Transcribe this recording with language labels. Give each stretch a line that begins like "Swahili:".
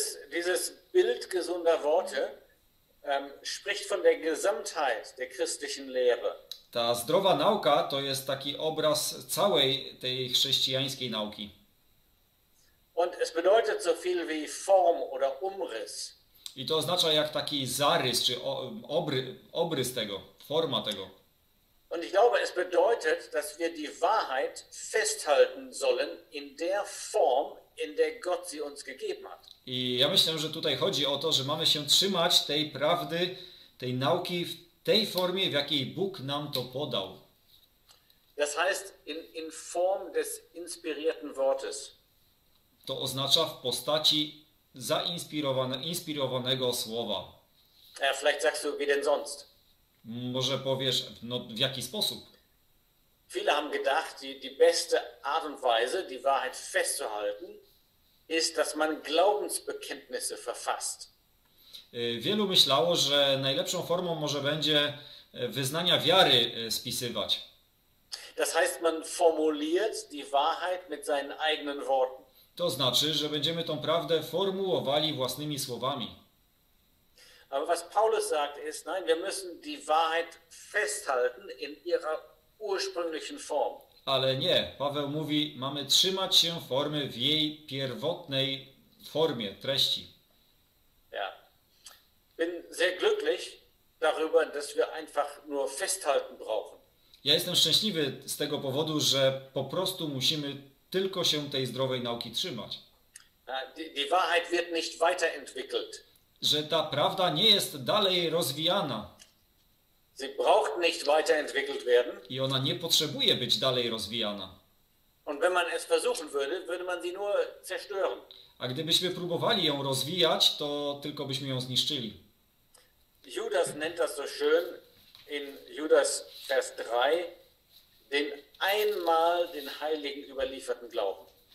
German: Dieses Bild gesunder Worte spricht von der Gesamtheit der christlichen Lehre.
Polish: Ta zdrowa nauka to jest taki obraz całej tej chrześcijańskiej nauki.
German: Und es bedeutet so viel wie Form oder Umriss.
Polish: I to oznacza jak taki zarys, czy obrys tego, forma tego.
German: Und ich glaube, es bedeutet, dass wir die Wahrheit festhalten sollen in der Form, in der Gott sie uns gegeben hat.
Polish: I ja myślę, że tutaj chodzi o to, że mamy się trzymać tej prawdy, tej nauki w tej formie, w jakiej Bóg nam to podał.
German: Das heißt in Form des inspirierten Wortes.
Polish: To oznacza w postaci inspirowanego słowa.
German: Ja, vielleicht sagst du, wie denn sonst?
Polish: Może powiesz, no, w jaki sposób?
German: Viele haben gedacht, die beste Art und Weise, die Wahrheit festzuhalten, ist, dass man Glaubensbekenntnisse verfasst.
Polish: Wielu myślało, że najlepszą formą może będzie wyznania wiary spisywać.
German: Das heißt, man formuliert die Wahrheit mit seinen eigenen Worten.
Polish: To znaczy, że będziemy tą prawdę formułowali własnymi słowami.
German: Aber was Paulus sagt ist, nein, wir müssen die Wahrheit festhalten in ihrer ursprünglichen Form.
Polish: Ale nie, Paweł mówi, mamy trzymać się formy w jej pierwotnej formie, treści.
German: Ja. Bin sehr glücklich darüber, dass wir einfach nur festhalten brauchen.
Polish: Ja jestem szczęśliwy z tego powodu, że po prostu musimy tylko się tej zdrowej nauki trzymać.
German: Die Wahrheit wird nicht weiterentwickelt.
Polish: Że ta prawda nie jest dalej rozwijana.
German: Sie braucht nicht weiterentwickelt werden.
Polish: I ona nie potrzebuje być dalej rozwijana.
German: Und wenn man es versuchen würde, würde man sie nur zerstören.
Polish: A gdybyśmy próbowali ją rozwijać, to tylko byśmy ją zniszczyli.
German: Judas nennt das so schön in Judas Vers 3. Den einmal den heiligen überlieferten Glauben.